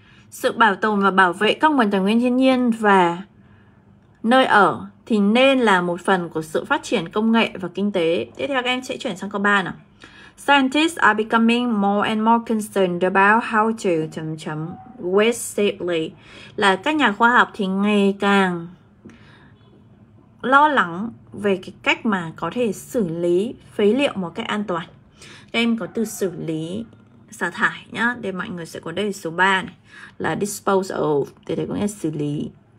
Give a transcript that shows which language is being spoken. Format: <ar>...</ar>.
<vi>Sự bảo tồn và bảo vệ các nguồn tài nguyên thiên nhiên và nơi ở thì nên là một phần của sự phát triển công nghệ và kinh tế. Tiếp theo các em sẽ chuyển sang câu 3 nào.</vi> <en>Scientists are becoming more and more concerned about how to waste safely.</en> <vi>Là các nhà khoa học thì ngày càng lo lắng về cái cách mà có thể xử lý phế liệu một cách an toàn. Các em có từ xử lý xả thải nhá, để mọi người sẽ có đây số 3 này, là dispose of, thì đây có nghĩa là xử lý.</vi>